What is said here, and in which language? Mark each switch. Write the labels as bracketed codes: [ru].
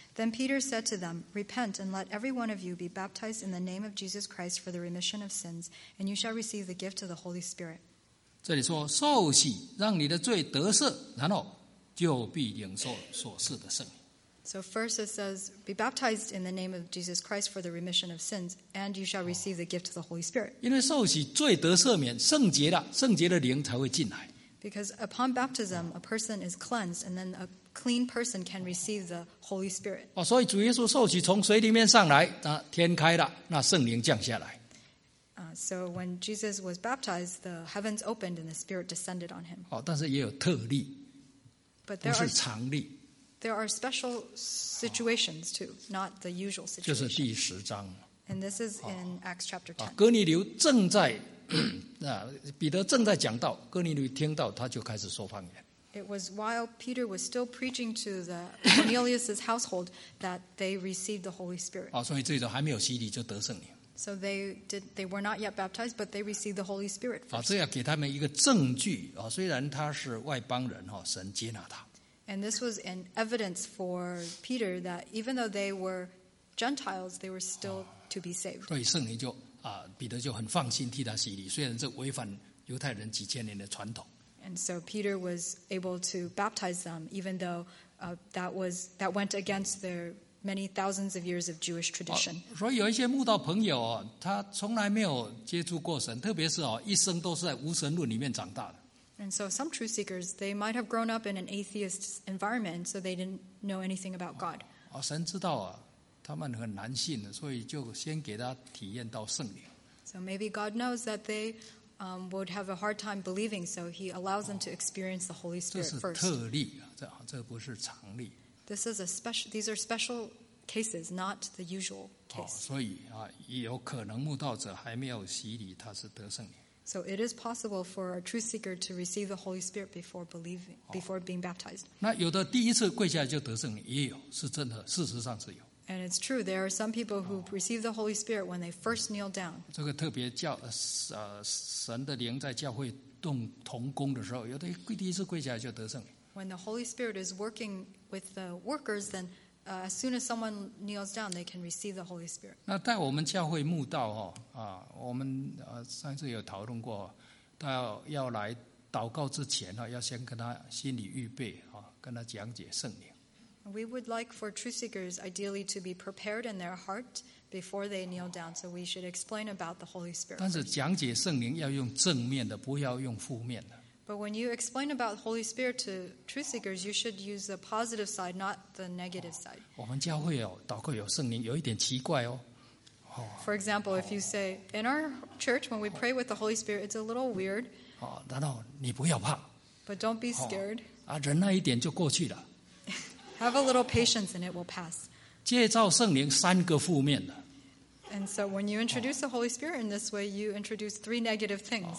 [en] Then Peter said to them, Repent and let every one of you be baptized in the name of Jesus Christ for the remission of sins, and you shall receive the gift of the Holy Spirit. [zh] 这里说受洗让你的罪得赦然后就必领受所赐的圣灵。 [en] So first it says, be baptized in the name of Jesus Christ for the remission of sins, and you shall receive the gift of the Holy Spirit. [zh] 因为受洗罪得赦免，圣洁了，圣洁的灵才会进来。 [en] Because upon baptism, a person is cleansed, and then a clean person can receive the Holy Spirit. [zh] 所以主耶稣受洗从水里面上来，那天开了，那圣灵降下来。 [en] So when Jesus was baptized, the heavens opened and the Spirit descended on him. [zh] 但是也有特例，不是常例。 [en] There are special situations too, not the usual situation. [zh] 就是第十章。 [en] And this is in Acts chapter 10. [zh] 哥尼流正在彼得正在讲道，哥尼流听到他就开始说方言。 [en] It was while Peter was still preaching to the Cornelius's household that they received the Holy Spirit. [zh] 所以这里还没有洗礼就得圣灵。 [en] So they were not yet baptized, but they received the Holy Spirit first. [zh] 这要给他们一个证据，虽然他是外邦人，神接纳他。 [en] And this was an evidence for Peter that even though they were Gentiles, they were still to be saved. [zh] 所以圣灵就彼得就很放心替他洗礼，虽然这违反犹太人几千年的传统。 [en] And so Peter was able to baptize them, even though that went against their many thousands of years of Jewish tradition. [zh] 所以有一些慕道朋友，他从来没有接触过神，特别是一生都是在无神论里面长大的。 [en] And so some true seekers, they might have grown up in an atheist environment, so they didn't know anything about God. [zh] 神知道他们很难信，所以就先给他体验到圣灵。 [en] So maybe God knows that they would have a hard time believing, so he allows them to experience the Holy Spirit first. [zh] 这是特例，这不是常例。 [en] This is a special, these are special cases, not the usual case. [zh] 所以有可能慕道者还没有洗礼，他是得圣灵。 [en] So it is possible for a truth seeker to receive the Holy Spirit before being baptized. [zh] 那有的第一次跪下来就得圣灵，也有是真的，事实上是有。 [en] And it's true, there are some people who receive the Holy Spirit when they first kneel down. [zh] 这个特别叫神的灵在教会动同工的时候，有的第一次跪下来就得圣灵。 [en] When the Holy Spirit is working with the workers, then as soon as someone kneels down, they can receive the Holy Spirit. [zh] 那在我们教会慕道我们上次有讨论过，他要来祷告之前要先跟他心里预备跟他讲解圣灵。 [en] We would like for truth seekers ideally to be prepared in their heart before they kneel down, so we should explain about the Holy Spirit. [zh] 但是讲解圣灵要用正面的，不要用负面的。 [en] But when you explain about the Holy Spirit to truth seekers, you should use the positive side, not the negative side. [zh] 我们教会祷告有圣灵有一点奇怪哦。 [en] For example, if you say, in our church, when we pray with the Holy Spirit, it's a little weird. [zh] 难道你不要怕。 [en] But don't be scared. [zh] 忍耐一点就过去了。 [en] Have a little patience and it will pass. [zh] 借照圣灵三个负面的。 [en] And so when you introduce the Holy Spirit in this way, you introduce three negative things.